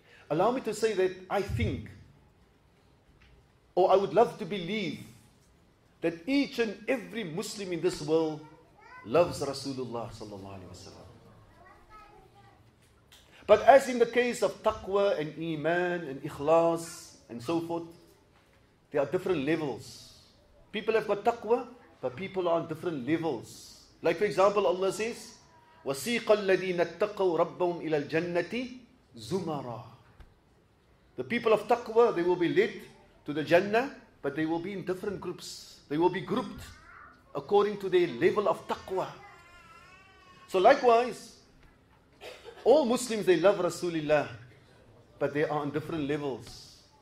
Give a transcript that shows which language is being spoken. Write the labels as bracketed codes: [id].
[en] Allow me to say that I think, or I would love to believe, that each and every Muslim in this world loves Rasulullah sallallahu alayhi wa sallam. But as in the case of taqwa and iman and ikhlas and so forth, there are different levels. People have got taqwa, but people are on different levels. Like for example, Allah says, [ar] وَسِيقَ الَّذِينَ اتَّقَوْا رَبَّهُمْ إِلَى الْجَنَّةِ زُمَرًا. [en] The people of taqwa, they will be led to the Jannah, but they will be in different groups. They will be grouped according to their level of taqwa. So likewise, all Muslims, they love Rasulullah, but they are on different levels.